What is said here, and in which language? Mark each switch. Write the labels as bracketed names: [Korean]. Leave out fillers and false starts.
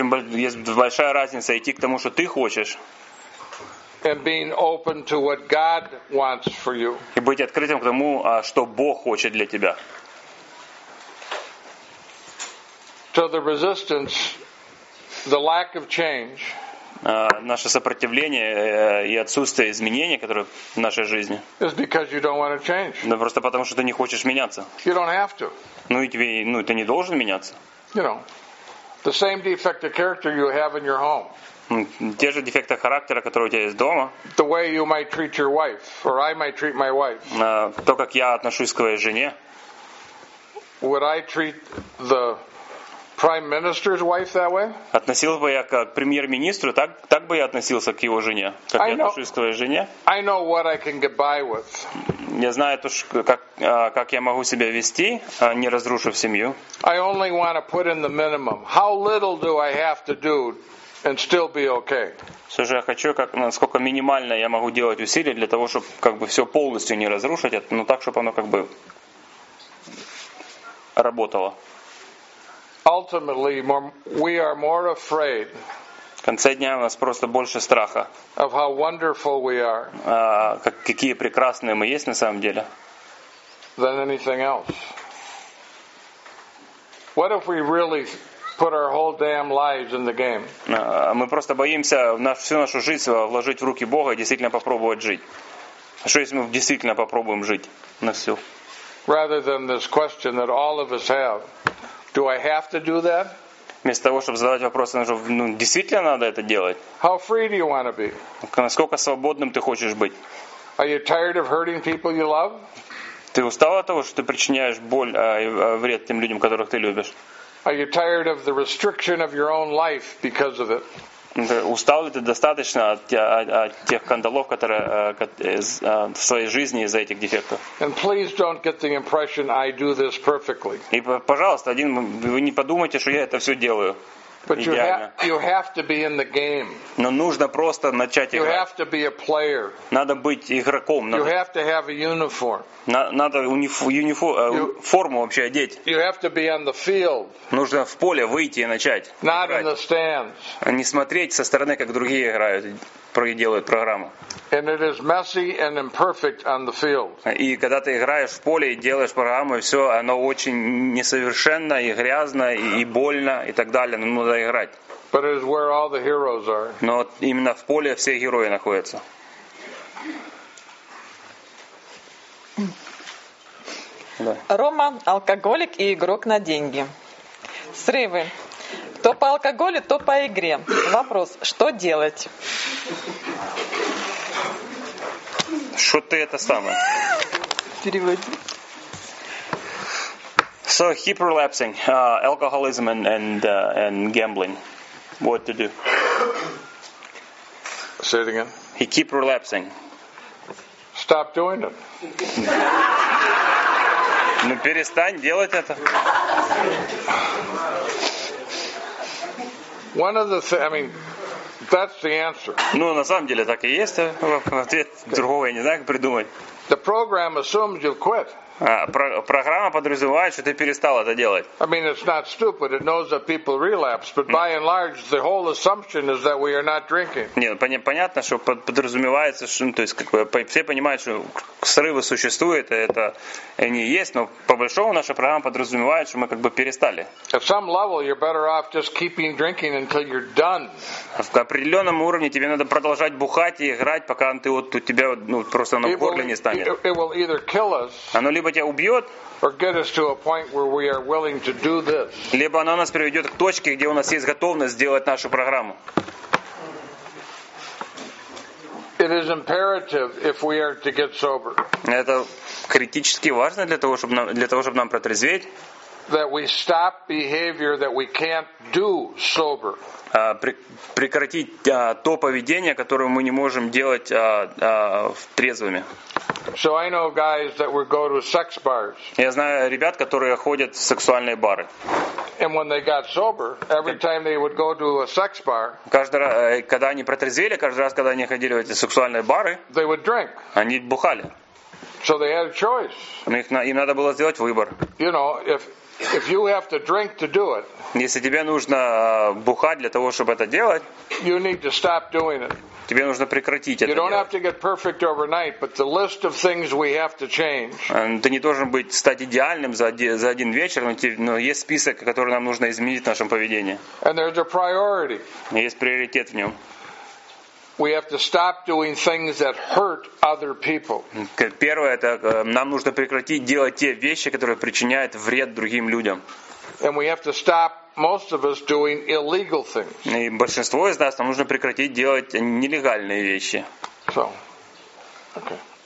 [Russian] Есть большая разница идти к тому, что ты хочешь. [English] And being open to what God wants for you. [Russian] И быть открытым к тому, что Бог хочет для тебя. [English] So the resistance, the lack of change. [Russian] Наше сопротивление и отсутствие изменений, которые в нашей жизни. [English] Is because you don't want to change. [Russian] Да просто потому, что ты не хочешь меняться. [English] You don't have to. [Russian] Ну, ты не должен меняться. [English] You know, the same defect of character you have in your home. [Russian] Те же дефекты характера, которые у тебя есть дома. [English] The way you might treat your wife, or I might treat my wife. [Russian] То, как я отношусь к своей жене. [English] Would I treat the prime minister's wife that way? [Russian] Относился бы я к премьер-министру, так бы я относился к его жене, как я отношусь к своей жене. [English] I know what I can get by with. [Russian] Я знаю то, что как я могу себя вести, не разрушив семью. [English] I only want to put in the minimum. How little do I have to do and still be okay? [Russian] Слушай, я хочу, как насколько минимально я могу делать усилия для того, чтобы как бы все полностью не разрушить, но так, чтобы оно как бы работало. [English] Ultimately, we are more afraid. [Russian] В конце дня у нас просто больше страха. [English] Of how wonderful we are. [Russian] Какие прекрасные мы есть на самом деле. [English] Than anything else. What if we really put our whole damn lives in the game? [Russian] Мы просто боимся всю нашу жизнь вложить в руки Бога и действительно попробовать жить. Что если мы действительно попробуем жить на всю? [English] Rather than this question that all of us have. Do I have to do that? [Russian] Вместо того, чтобы задавать вопрос, ну, действительно надо это делать? [English] How free do you want to be? [Russian] Насколько свободным ты хочешь быть? [English] Are you tired of hurting people you love? [Russian] Ты устал от того, что ты причиняешь боль и вред тем людям, которых ты любишь? [English] Are you tired of the restriction of your own life because of it? [Russian] Устал ли ты достаточно от тех кандалов, которые в своей жизни из-за этих дефектов? [English] And please don't get the impression I do this perfectly. [Russian] И, пожалуйста, вы не подумайте, что я это все делаю. [English] But you have to be in the game. [Russian] Но нужно просто начать [English] you [Russian] играть. [English] You have to be a player. [Russian] Надо быть игроком. [English] You have to have a uniform. [Russian] Надо форму вообще одеть. [English] You have to be on the field. [Russian] Нужно в поле выйти и начать [English] Not [Russian] играть. [English] In the stands. [Russian] А не смотреть со стороны, как другие играют, делают программу. [English] And it is messy and imperfect on the field. [Russian] И когда ты играешь в поле и делаешь программу, и все, оно очень несовершенно и грязно и больно и так далее. Надо играть. [English] But it is where all the heroes are. [Russian] Но именно в поле все герои находятся. Рома, алкоголик и игрок на деньги. Срывы. То по алкоголю, то по игре. Вопрос, что делать? Что ты это самое? Переводи. [English] So keep relapsing, alcoholism and gambling. What to do? Say it again. He keep relapsing. Stop doing it. [Russian] Ну перестань делать это. [English] One of the I mean, that's the answer. [Russian] Ну на самом деле так и есть. Ответ другого я не знаю как придумать. [English] The program assumes you've quit. [Russian] Программа подразумевает, что ты перестал это делать. [English] I mean, it's not stupid. It knows that people relapse, but by and large, the whole assumption is that we are not drinking. [Russian] Не, понятно, что подразумевается, что, то есть, как бы, все понимают, что срывы существуют, это они есть, но по большому наша программа подразумевает, что мы как бы перестали. [English] At some level, you're better off just keeping drinking until you're done. [Russian] В определенном уровне тебе надо продолжать бухать и играть, пока ты вот у тебя ну просто на горле не станет. [English] It will either kill us. [Russian] Оно либо тебя убьет, [English] or get us to a point where we are willing to do this. [Russian] Либо оно нас приведет к точке, где у нас есть готовность сделать нашу программу. [English] It is imperative if we are to get sober. [Russian] Это критически важно для того, чтобы нам протрезветь. [English] That we stop behavior that we can't do sober. [Russian] Прекратить то поведение, которое мы не можем делать в трезвыми. [English] So I know guys that would go to sex bars. [Russian] Я знаю ребят, которые ходят в сексуальные бары. [English] And when they got sober, every time they would go to a sex bar. [Russian] Каждый раз, когда они протрезвели, каждый раз, когда они ходили в эти сексуальные бары, [English] they would drink. [Russian] Они бухали. [English] So they had a choice. [Russian] Им надо было сделать выбор. [English] You know, if you have to drink to do it. [Russian] Если тебе нужно бухать для того, чтобы это делать, [English] you need to stop doing it. [Russian] Тебе нужно прекратить это делать. [English] You don't have to get perfect overnight, but the list of things we have to change. [Russian] Ты не должен быть стать идеальным за один вечер, но есть список, который нам нужно изменить в нашем поведении. [English] And there's a priority. [Russian] Есть приоритет в нем. [English] We have to stop doing things that hurt other people. [Russian] Первое, это нам нужно прекратить делать те вещи, которые причиняют вред другим людям. [English] And we have to stop most of us doing illegal things. [Russian] И большинство из нас нам нужно прекратить делать нелегальные вещи. [English] So, okay.